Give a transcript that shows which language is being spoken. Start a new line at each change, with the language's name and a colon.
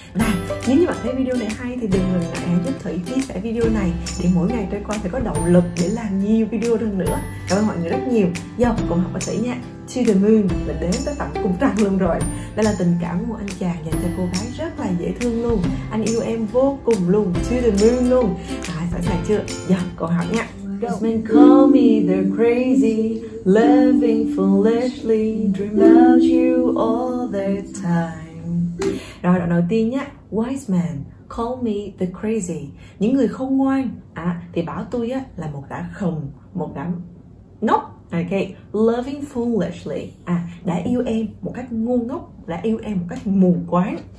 Vietnamese: Và nếu như bạn thấy video này hay thì đừng ngần ngại giúp Thủy chia sẻ video này để mỗi ngày trôi qua sẽ có động lực để làm nhiều video hơn nữa. Cảm ơn mọi người rất nhiều. Giờ cùng học với Thủy nha. To The Moon là đến tới tận cùng trăng luôn rồi. Đây là tình cảm của anh chàng dành cho cô gái rất là dễ thương luôn. Anh yêu em vô cùng luôn. To The Moon luôn. Sẵn sàng chưa? Giờ cùng học nha.
English: Men call me they're crazy, living foolishly, dream about you all the time.
Vietnamese: Rồi đoạn đầu tiên nhé,
English: wise man call me the crazy.
Vietnamese: Những người khôn ngoan thì bảo tôi á là một đã khùng, một đã ngốc.
English: Okay, loving foolishly,
Vietnamese: đã yêu em một cách ngu ngốc, đã yêu em một cách mù quáng.